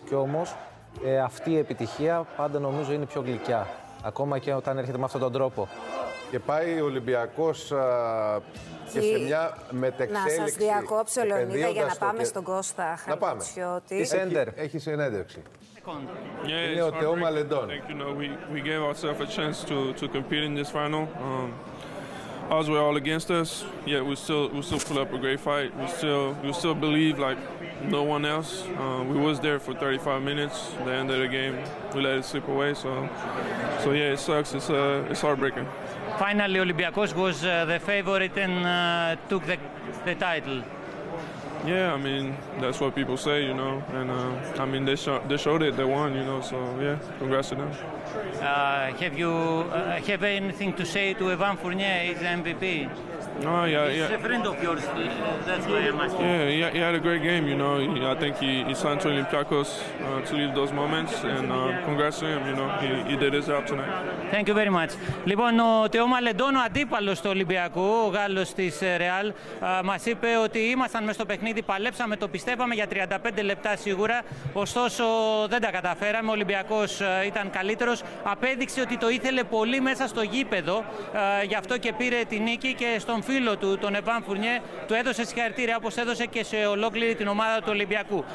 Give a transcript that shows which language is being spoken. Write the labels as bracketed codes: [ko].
[el] Και όμως αυτή η επιτυχία πάντα νομίζω είναι πιο γλυκιά. Ακόμα και όταν έρχεται με αυτόν τον τρόπο. Και πάει ο Ολυμπιακός και σε μια μετεξέλιξη. Να σας διακόψω, Λεωνίδα, για να πάμε στον Κώστα Χαρτσιώτη. Να πάμε. Έχει συνέντευξη. Είναι ο Τεόμα Λεντών. [en] We gave ourselves a chance to compete in this final. Odds were all against us, yet we still pull up a great fight. We still believe like no one else. We was there for 35 minutes. The end of the game, we let it slip away. So yeah, it sucks. It's heartbreaking. Finally, Olympiacos was the favorite and took the title. Yeah, I mean that's what people say, you know. And I mean they showed it, they won, you know. So yeah, congrats to them. Have anything to say to Evan Fournier, he's the MVP? No, oh, yeah, he's a friend of yours. That's why I'm asking. Yeah, he had a great game, you know. I think he signed to Olympiacos to leave those moments, and congrats to him, you know. He did his job tonight. Thank you very much. [el] Λοιπόν, ο Τεόμα Λεντών, ο αντίπαλος του Ολυμπιακού, ο Γάλλος της Ρεάλ, μας είπε ότι ήμασταν μες στο παιχνίδι, παλέψαμε, το πιστεύαμε για 35 λεπτά σίγουρα. Ωστόσο, δεν τα καταφέραμε. Ο Ολυμπιακός ήταν καλύτερος. Απέδειξε ότι το ήθελε πολύ μέσα στο γήπεδο. Γι' αυτό και πήρε τη νίκη και στον φίλο του, τον Εβάν Φουρνιέ, του έδωσε συγχαρητήρια όπως έδωσε και σε ολόκληρη την ομάδα του Ολυμπιακού.